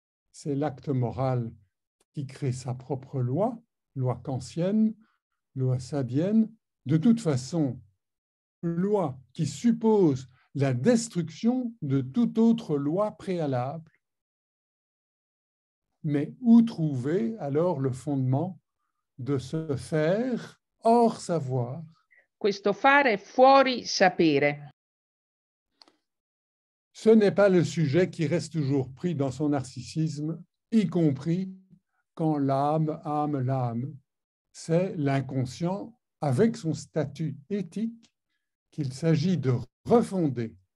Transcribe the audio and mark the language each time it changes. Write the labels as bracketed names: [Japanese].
[French] C'est l'acte moral qui crée sa propre loi, loi kantienne, loi sabienne, de toute façon, loi qui suppose la destruction de toute autre loi préalable. Mais où trouver alors le fondement de ce faire hors savoir? [Italian] Questo fare fuori sapere. [French] Ce n'est pas le sujet qui reste toujours pris dans son narcissisme, y compris quand l'âme âme l'âme. C'est l'inconscient avec son statut éthique qu'il s'agit de refonder.